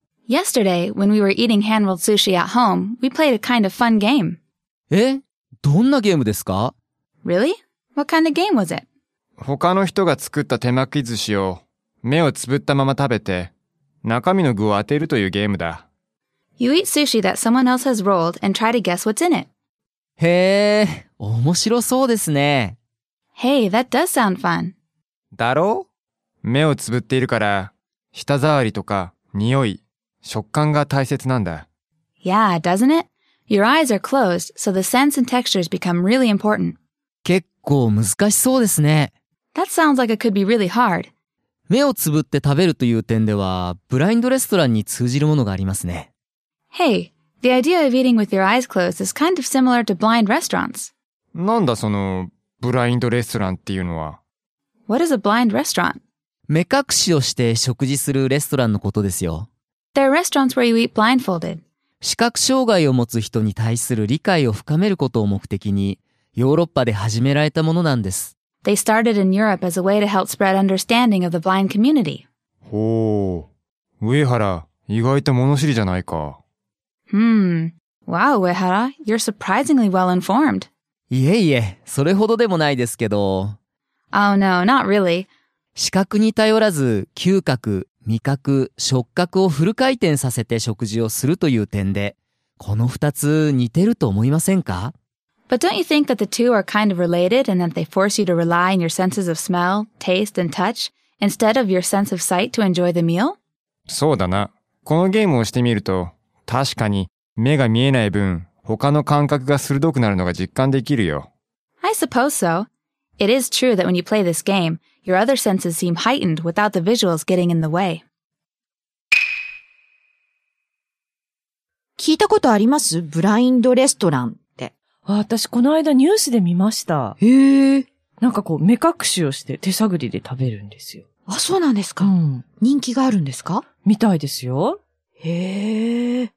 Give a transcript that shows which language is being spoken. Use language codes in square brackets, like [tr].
[en] Yesterday, when we were eating hand-rolled sushi at home, we played a kind of fun game. [ja] え？どんなゲームですか？ [en] Really? What kind of game was it? [ja] 他の人が作った手巻き寿司を目をつぶったまま食べて、中身の具を当てるというゲームだ。 [en] You eat sushi that someone else has rolled and try to guess what's in it. [ja] へえ、面白そうですね。 [en] Hey, that does sound fun. [ja] だろう？目をつぶっているから、舌触りとか、匂い、食感が大切なんだ。 [en] Yeah, doesn't it? Your eyes are closed, so the sense and textures become really important. [ja] 結構難しそうですね。 [en] That sounds like it could be really hard. [ja] 目をつぶって食べるという点では、ブラインドレストランに通じるものがありますね。 [en] Hey, the idea of eating with your eyes closed is kind of similar to blind restaurants. [ja] なんだその、ブラインドレストランっていうのは。 [en] What is a blind restaurant? [ja] 目隠しをして食事するレストランのことですよ。 [en] There are restaurants where you eat blindfolded. [ja] 視覚障害を持つ人に対する理解を深めることを目的に、ヨーロッパで始められたものなんです。 [en] They started in Europe as a way to help spread understanding of the blind community. [ja] ほう、上原、意外と物知りじゃないか。 [en] Wow, 上原、you're surprisingly well-informed. [ja] いえいえ、それほどでもないですけど。 [en] Oh no, not really. [ja] 視覚に頼らず、嗅覚、味覚、触覚をフル回転させて食事をするという点で、この二つ似てると思いませんか？ [en] But don't you think that the two are kind of related and that they force you to rely on your senses of smell, taste, and touch instead of your sense of sight to enjoy the meal? [ja] そうだな。このゲームをしてみると、確かに目が見えない分、他の感覚が鋭くなるのが実感できるよ。 [en] I suppose so. It is true that when you play this game, your other senses seem heightened without the visuals getting in the way. [ja] 聞いたことあります？ブラインドレストランって。私この間ニュースで見ました。へえ。なんかこう目隠しをして手探りで食べるんですよ。あ、そうなんですか。うん。人気があるんですか？みたいですよ。へえ。